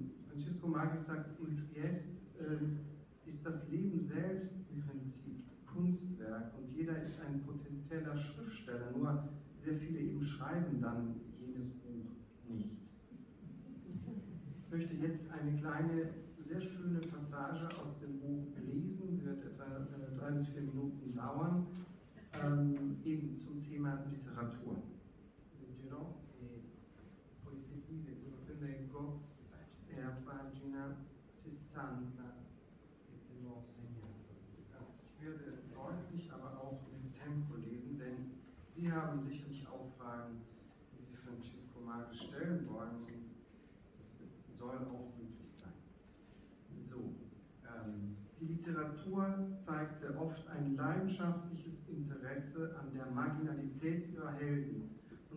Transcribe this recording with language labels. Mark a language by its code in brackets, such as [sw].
[de] Francesco Magis sagt, in Triest ist das Leben selbst im Prinzip Kunstwerk, und jeder ist ein potenzieller Schriftsteller, nur sehr viele eben schreiben dann jenes Buch nicht. Ich möchte jetzt eine kleine sehr schöne Passage aus dem Buch lesen. Sie wird etwa 3 bis 4 Minuten dauern, eben zum Thema Literatur. [it] Leggerò e poi seguire quello che leggo è a pagina 60 che te l'ho segnato. [de] Ich werde deutlich, aber auch mit Tempo lesen, denn Sie haben sicherlich auch Fragen, die Sie Francesco Mai stellen wollen. Das soll auch möglich sein. So, die Literatur zeigte oft ein leidenschaftliches Interesse an der Marginalität ihrer Helden und